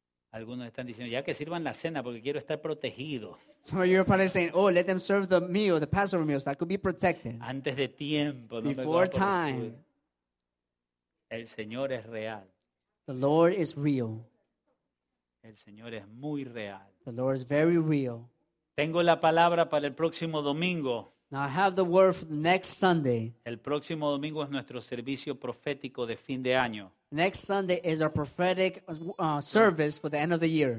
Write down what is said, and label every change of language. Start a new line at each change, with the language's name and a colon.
Spanish: Algunos están diciendo, ya que sirvan la cena porque quiero estar protegido.
English: Some of you are probably saying, oh, let them serve the meal, the Passover meal, so I could be protected.
Spanish: Antes de tiempo. No
English: before
Spanish: me
English: time.
Spanish: El Señor es real.
English: The Lord is real.
Spanish: El Señor es muy real.
English: The Lord is very real.
Spanish: Tengo la palabra para el próximo domingo.
English: Now I have the word for the next Sunday.
Spanish: El próximo domingo es nuestro servicio profético de fin de año.
English: Next Sunday is our prophetic service for the end of the year.